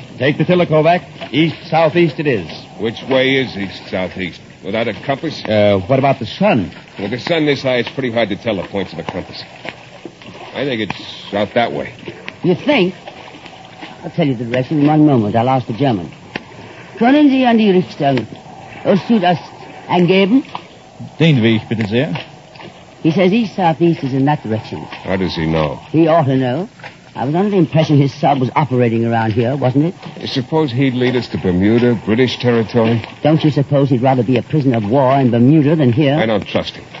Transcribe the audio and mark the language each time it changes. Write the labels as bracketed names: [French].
[English] Take the Tillicovac. East-southeast it is. Which way is east-southeast? Without a compass? What about the sun? With the sun this high, it's pretty hard to tell the points of a compass. I think it's out that way. You think? I'll tell you the direction in one moment. I'll ask the German. [German] Können Sie an die Richtung Ost-Südost angeben? Den Weg, bitte sehr. [English] He says east-southeast is in that direction. How does he know? He ought to know. I was under the impression his sub was operating around here, wasn't it? Suppose he'd lead us to Bermuda, British territory? Don't you suppose he'd rather be a prisoner of war in Bermuda than here? I don't trust him.